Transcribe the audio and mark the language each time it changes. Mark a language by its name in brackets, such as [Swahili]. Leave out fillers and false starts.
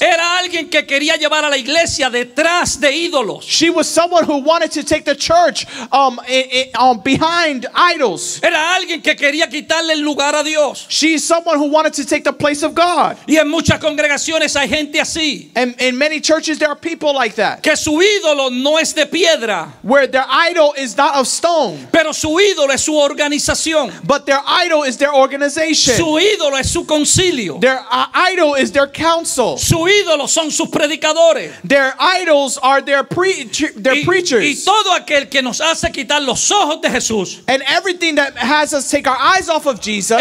[Spanish] Era alguien que quería llevar a la iglesia detrás de ídolos. [English] She was someone who wanted to take the church behind idols. [Spanish] Era alguien que quería quitarle el lugar a Dios. [English] She's someone who wanted to take the place of God. [Spanish] Y en muchas congregaciones hay gente así. [English] And in many churches there are people like that. [Spanish] Que su ídolo no es de piedra. [English] Where their idol is not of stone. [Spanish] Pero su ídolo su organización. [English] But their idol is their organization. [Spanish] Su ídolo es su concilio. [English] Their idol is their council. [Spanish] Su ídolo son sus predicadores. [English] Their idols are their preachers. [Spanish] Y todo aquel que nos hace quitar los ojos de Jesús. [English] And everything that has us take our eyes off of Jesus.